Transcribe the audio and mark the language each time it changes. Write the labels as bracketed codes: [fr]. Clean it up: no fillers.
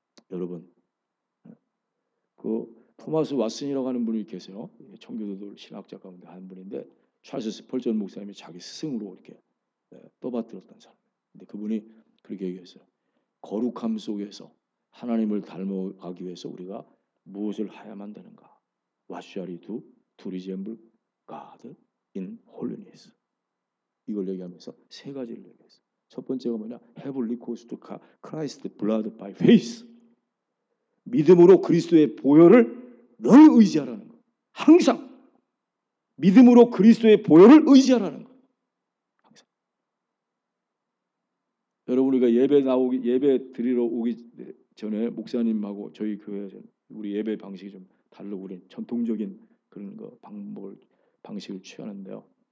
[ko] 여러분, 그 토마스 왓슨이라고 하는 분이 계세요. 청교도들 신학자 가운데 한 분인데 찰스 스펄전 목사님이 자기 스승으로 이렇게 떠받들었던 사람. 근데 그분이 그렇게 얘기했어요. 거룩함 속에서 하나님을 닮아가기 위해서 우리가 무엇을 해야만 되는가? [en] What shall we do to resemble God in holiness? [ko] 이걸 얘기하면서 세 가지를 얘기했어. 첫 번째가 뭐냐? [en] Have recourse to Christ's blood by faith. [ko] 믿음으로 그리스도의 보혈을 늘 의지하라는 거. 항상 믿음으로 그리스도의 보혈을 의지하라는 거. 항상. 여러분 우리가 예배 드리러 오기 전에 목사님하고 저희 교회에서 우리 예배 방식이 좀 다르고 우리 전통적인 그런 거 방식을 취하는데요.